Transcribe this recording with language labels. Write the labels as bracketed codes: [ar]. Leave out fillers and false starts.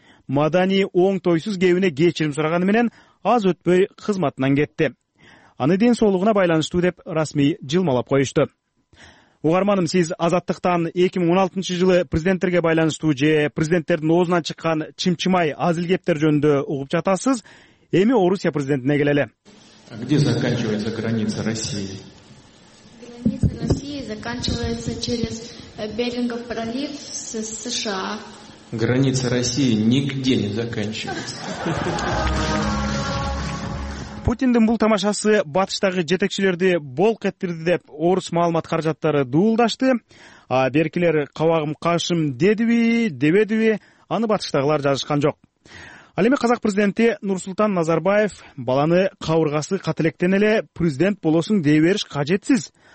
[ky] Мадани оң тойсуз кебине кечирим сураганы менен аз өтпөй кызматынан кетти. Аны ден соолугуна байланыштуу деп расмий жылмалап коюшту. Угарманым, сиз азаттыктан 2016 жылы президенттерге байланыштуу же президенттердин оозунан чыккан чымчымай азил кептер жөнүндө угуп жатасыз. Эми Орусия президентине келели. [ru] Где заканчивается граница России? Граница России заканчивается через Берингов пролив с США. Граница России нигде не заканчивается. [ky] Путиндин бул тамашасы батыштагы жетекчилерди болк эттирди деп орус маалымат каражаттары дуулдашты. А беркилер кабагым кашым дедиби, дебедиби, аны батыштагылар жазышкан жок. Ал эми Казак президенти Нурсултан Назарбаев баланы кабыргасы катылектен эле президент болосуң дей бериш кажетсиз.